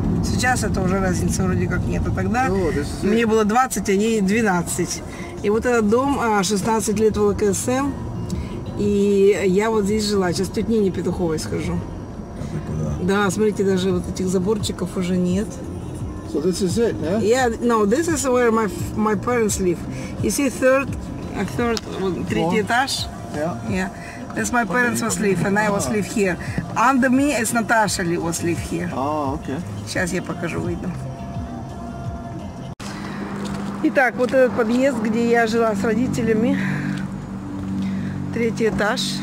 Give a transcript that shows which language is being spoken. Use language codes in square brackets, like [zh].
[ru] Сейчас это уже разницы вроде как нет. А тогда мне было 20, а ей 12. И вот этот дом, 16 лет в ЛКСМ, и я вот здесь жила. Сейчас тут Нине Петуховой схожу. Да, смотрите, даже вот этих заборчиков уже нет. [en] So this is it, huh? Yeah, no, this is where my parents live. You see third, [ru] вот, третий этаж? [en] Yeah. Yeah. That's my parents was live, and I was live here. Under me is Natasha was live here. Oh, okay. [ru] Сейчас я покажу, выйду. Итак, вот этот подъезд, где я жила с родителями. Третий этаж.